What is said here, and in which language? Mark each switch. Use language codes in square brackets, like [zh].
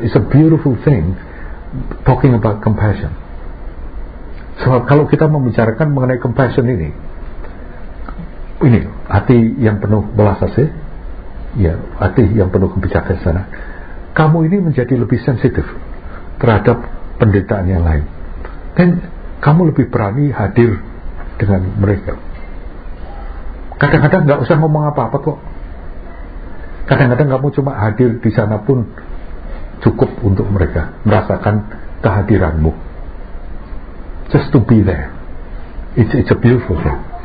[en] It's a beautiful thing talking about compassion. [id] Soal kalau kita membicarakan mengenai compassion ini, ini hati yang penuh belas kasih, ya, hati yang penuh kebijaksanaan, kamu ini menjadi lebih sensitif terhadap penderitaan yang lain, dan kamu lebih berani hadir dengan mereka. Kadang-kadang nggak usah ngomong apa-apa kok. Kadang-kadang kamu cuma hadir di sana pun cukup untuk mereka merasakan kehadiranmu. [en] Just to be there, it's a beautiful thing.